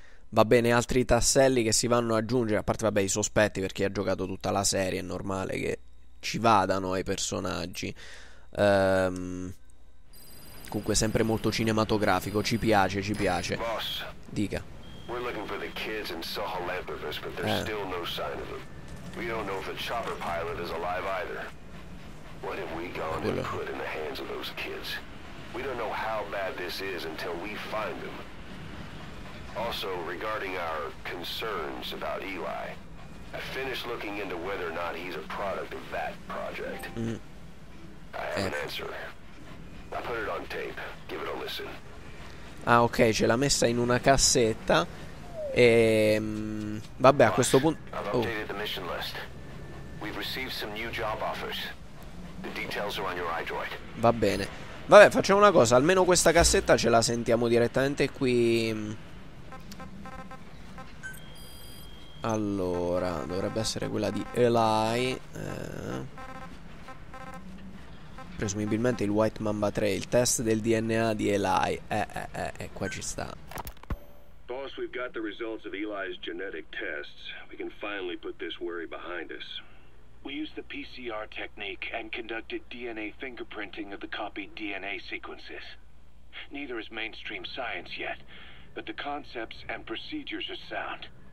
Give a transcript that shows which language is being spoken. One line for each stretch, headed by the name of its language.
Italian: va bene, altri tasselli che si vanno a aggiungere, a parte vabbè i sospetti perché ha giocato tutta la serie, è normale che ci vadano ai personaggi, comunque sempre molto cinematografico, ci piace, ci piace.
English: Boss,
Italian: dica.
English: We're looking for the kids in Soho Lampervis, but there's still no sign of them. We don't know if the chopper pilot is alive either. What have we gone and put in the hands of those kids? We don't know how bad this is until we find them. Also, regarding our concerns about Eli, I finished looking into whether or not he's a product of that project. I have an answer. I put it on tape. Give it a listen.
Italian: Ah, ok, ce l'ha messa in una cassetta. E vabbè, a questo punto.
English: I've updated the mission list. We've received some new job offers. The details are on your iDroid.
Italian: Va bene. Vabbè, facciamo una cosa. Almeno questa cassetta ce la sentiamo direttamente qui. Allora, dovrebbe essere quella di Eli. Presumibilmente il White Mamba 3, il test del DNA di Eli. Qua ci sta.
English: Boss, we've got the results of Eli's genetic tests. We can finally put this worry behind us. We used the PCR technique and conducted DNA fingerprinting of the copied DNA sequences. Neither is mainstream science yet, but the concepts and procedures are sound.